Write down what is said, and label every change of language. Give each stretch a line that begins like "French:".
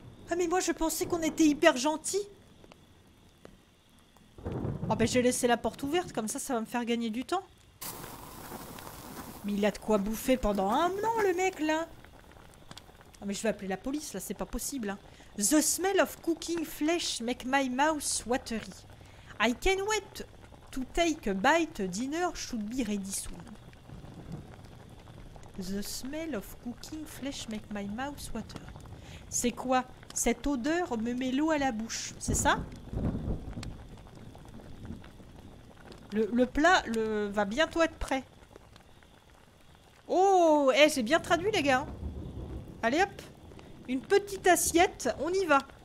French: Ah mais moi je pensais qu'on était hyper gentils. Oh ben j'ai laissé la porte ouverte, comme ça va me faire gagner du temps. Mais il a de quoi bouffer pendant un an le mec là. Ah mais je vais appeler la police là, c'est pas possible. Hein.
English: The smell of cooking flesh make my mouth watery. I can wait to take a bite, dinner should be ready soon. The smell of cooking flesh make my mouth water.
French: C'est quoi? Cette odeur me met l'eau à la bouche, c'est ça? Le plat va bientôt être prêt. Oh, hey, j'ai bien traduit les gars. Allez hop, une petite assiette, on y va.